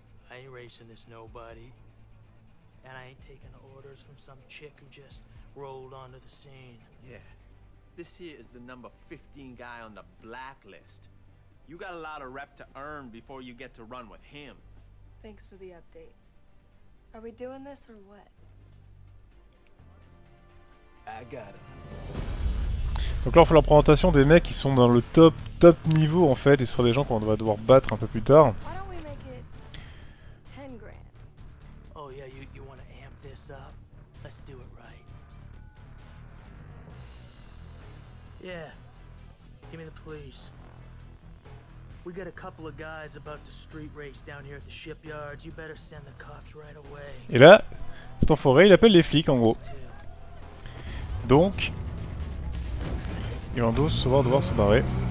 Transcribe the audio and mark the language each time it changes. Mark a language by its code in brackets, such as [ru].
[en] I ain't racing this nobody, and I ain't taking orders from some chick who just rolled onto the scene. Yeah, this here is the number 15 guy on the blacklist. You got a lot of rep to earn before you get to run with him. Thanks for the update. Are we doing this or what? I got it. [fr] Donc là on fait la présentation des mecs qui sont dans le top niveau en fait, et ce sont des gens qu'on va devoir battre un peu plus tard. [en] Why don't we make it 10 grand? Oh yeah, you wanna amp this up? Let's do it right. Yeah, give me the police. We got a couple of guys about to street race down here at the shipyards. You better send the cops right away. [fr] Et là, cet enfoiré, il appelle les flics en gros. Donc, il en doit se voir devoir se barrer.